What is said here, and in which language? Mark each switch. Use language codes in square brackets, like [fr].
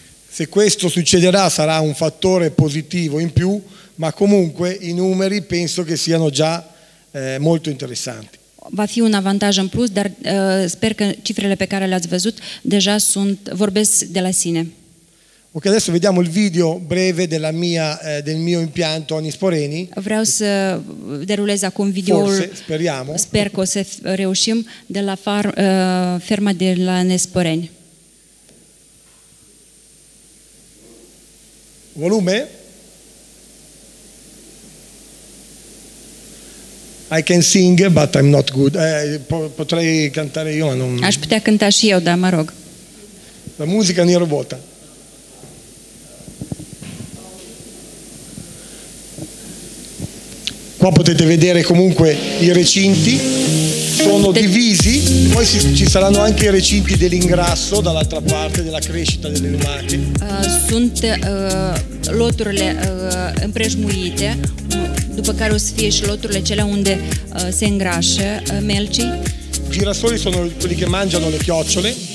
[it] Se questo succederà sarà un fattore positivo in più, ma comunque i numeri penso che siano già molto interessanti. [ro] Va fi un avantaj în plus, dar sper că cifrele pe care le-ați văzut deja sunt vorbesc de la sine. [it] Ok, adesso vediamo il video breve della mia del mio impianto Anisporeni. [ro] Vreau să derulez acum videoul. [it] Forse, speriamo. [ro] Sper că o să reușim de la ferma de la Anisporeni. [en] Volume? I can sing, but I'm not good. [it] Potrei cantare io, ma non... [ro] Aș putea cânta și eu, da, mă rog. La musica nu e robota. [it] Qua potete vedere comunque i recinti. Sono divisi. Poi ci saranno anche i recinti dell'ingrasso, dall'altra parte, della crescita delle lumache. [ro] Sunt loturile împrejmuite. După care o să fie și loturile cele unde se îngrașă melcii. [it] Girasolii sunt quelli che mangiano le chiocciole.